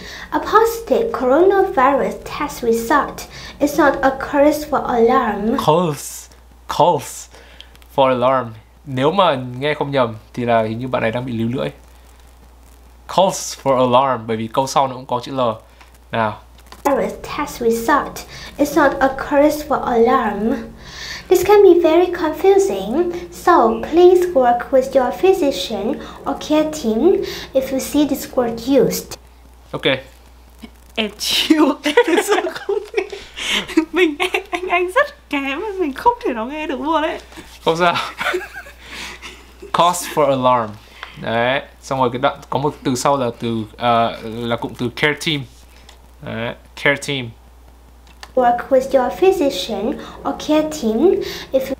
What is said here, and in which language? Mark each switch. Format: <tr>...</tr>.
<en>A positive coronavirus test result is not a cause for alarm. Cause for alarm.</en> <vi>Nếu mà nghe không nhầm thì là hình như bạn này đang bị líu lưỡi.</vi> <en>Cause for alarm,</en> <vi>bởi vì câu sau nó cũng có chữ l. Nào.</vi> <en>Virus test result is not a cause for alarm. This can be very confusing, so please work with your physician or care team if you see this word used. Ok.</en> <vi>Em chịu, em không nghe. Mình nghe anh rất kém, mình không thể nào nghe được luôn ấy. Không sao.</vi> <en>Cause for alarm.</en> <vi>Đấy, xong rồi cái đoạn có một từ sau là từ là cụm từ care team.</vi> <en>Đấy, care team. Work with your physician or care team if</en>